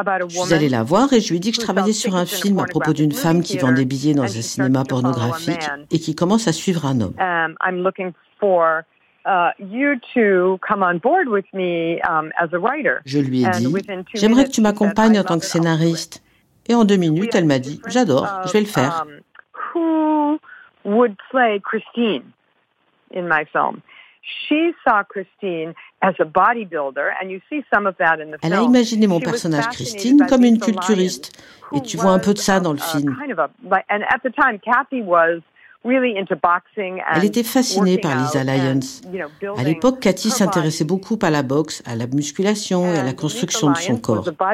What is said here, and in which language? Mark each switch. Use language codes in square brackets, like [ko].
[fr] Je suis allée la voir et je lui ai dit que je travaillais sur un film à propos d'une femme qui vend des billets dans un cinéma pornographique et qui commence à suivre un homme. Je lui ai dit, j'aimerais que tu m'accompagnes en tant que scénariste. Et en deux minutes, elle m'a dit, j'adore, je vais le faire. [en] Who would play Christine in my film? She saw Christine as a bodybuilder, and you see some of that in the film. [fr] Elle a imaginé mon personnage Christine comme une culturiste, et tu vois un peu de ça dans le film. [en] And at the time, Kathy was really into boxing. [fr] Elle était fascinée par Lisa Lyons. À l'époque, Kathy s'intéressait beaucoup à la boxe, à la musculation et à la construction de son corps.